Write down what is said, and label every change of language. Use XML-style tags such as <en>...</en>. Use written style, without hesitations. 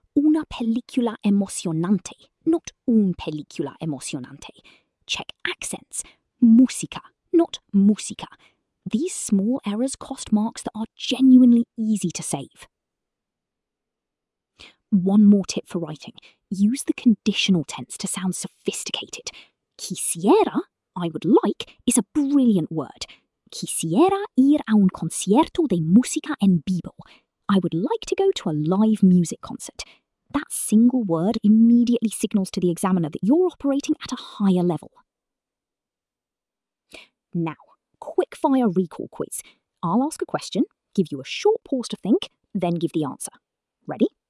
<es>Una película emocionante, not un película emocionante.</es> <en>Check accents. Música, not música. These small errors cost marks that are genuinely easy to save. One more tip for writing. Use the conditional tense to sound sophisticated. Quisiera, I would like, is a brilliant word.</en> <es>Quisiera ir a un concierto de música en vivo.</es> <en>I would like to go to a live music concert. That single word immediately signals to the examiner that you're operating at a higher level. Now, quick-fire recall quiz. I'll ask a question, give you a short pause to think, then give the answer. Ready?</en>